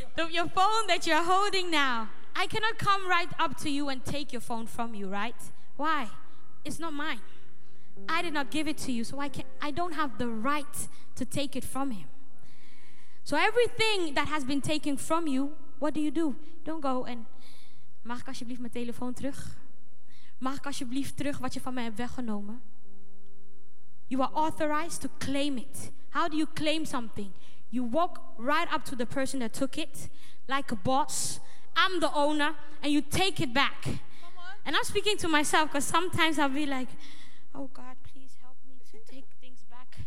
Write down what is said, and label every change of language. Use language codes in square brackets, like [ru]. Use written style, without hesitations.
[en] Your phone that you're holding now, I cannot come right up to you and take your phone from you, right? Why? It's not mine. I did not give it to you, so I don't have the right to take it from him. So everything that has been taken from you, what do? Don't go and, [nl] mag ik alsjeblieft mijn telefoon terug? Mag ik alsjeblieft terug wat je van mij hebt weggenomen? [en] You are authorized to claim it. How do you claim something? You walk right up to the person that took it, like a boss. I'm the owner, and you take it back. And I'm speaking to myself, because sometimes I'll be like, oh God, please help me to take things back.